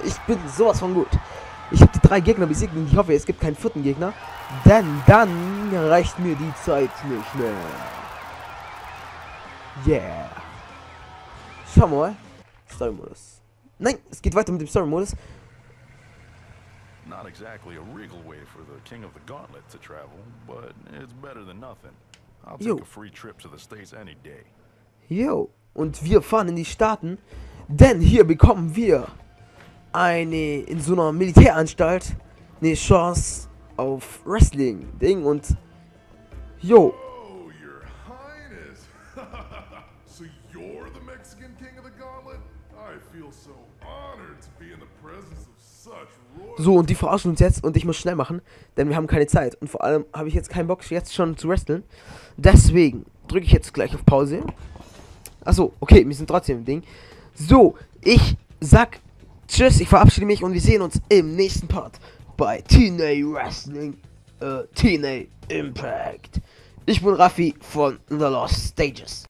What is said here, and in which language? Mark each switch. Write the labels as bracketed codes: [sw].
[de] Ich bin sowas von gut. Ich habe die drei Gegner besiegt und ich hoffe, es gibt keinen vierten Gegner. Denn dann reicht mir die Zeit nicht mehr. Yeah. Schau mal. Story-Modus. Nein, es geht weiter mit dem Story-Modus. [en] Not exactly a regal way for the King of the Gauntlet to travel, but it's better than nothing. I'll take a free trip to the States any day. [de] Yo, und wir fahren in die Staaten, denn hier bekommen wir eine in so einer Militäranstalt eine Chance auf Wrestling Ding und yo. [en] Oh, Your Highness. So you're the Mexican King of the Gauntlet? I feel so honored to be in the presence of such. [de] So, und die verarschen uns jetzt und ich muss schnell machen, denn wir haben keine Zeit. Und vor allem habe ich jetzt keinen Bock, jetzt schon zu wresteln. Deswegen drücke ich jetzt gleich auf Pause. Achso, okay, wir sind trotzdem im Ding. So, ich sag tschüss, ich verabschiede mich und wir sehen uns im nächsten Part bei TNA Wrestling, TNA Impact. Ich bin Raffi von The Lost Stages.